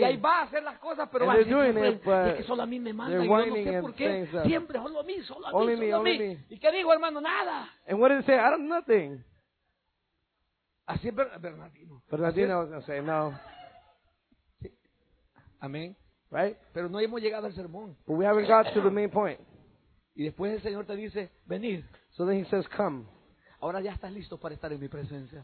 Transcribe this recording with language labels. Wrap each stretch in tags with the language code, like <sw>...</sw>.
<es>Y ahí va a hacer las cosas, pero va a decir, es que solo a mí me manda y yo no sé por qué. Siempre solo a mí. Me. ¿Y qué digo, hermano? Nada.</es> <en>And what did he say? I don't know nothing.</en> <es>Así es Bernardino.</es> <en>Bernardino was going to say, no.</en> <es>Sí. Amén.</es> <en>Right?</en> <es>Pero no hemos llegado al sermón.</es> <en>But we haven't got to the main point.</en> <es>Y después el Señor te dice, venid.</es> <en>So then he says, come.</en> <es>Ahora ya estás listo para estar en mi presencia.</es>